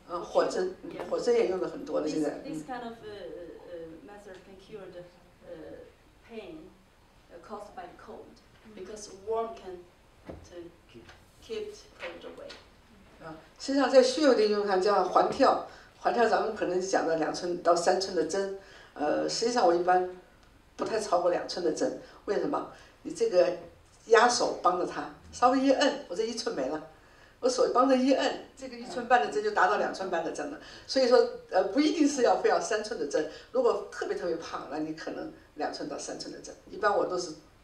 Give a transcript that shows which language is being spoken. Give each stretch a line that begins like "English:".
Chinese: 火针也用了很多了现在。
English: This kind of method can cure the pain caused by cold, because warm can keep cold away.
Chinese: 实际上，在穴位的应用上，这样环跳，环跳咱们可能讲的两寸到三寸的针，实际上我一般不太超过两寸的针。为什么？你这个压手帮着它，稍微一摁，我这一寸没了，我手帮着一摁，这个一寸半的针就达到两寸半的针了。所以说，不一定是要非要三寸的针。如果特别特别胖，那你可能两寸到三寸的针。一般我都是。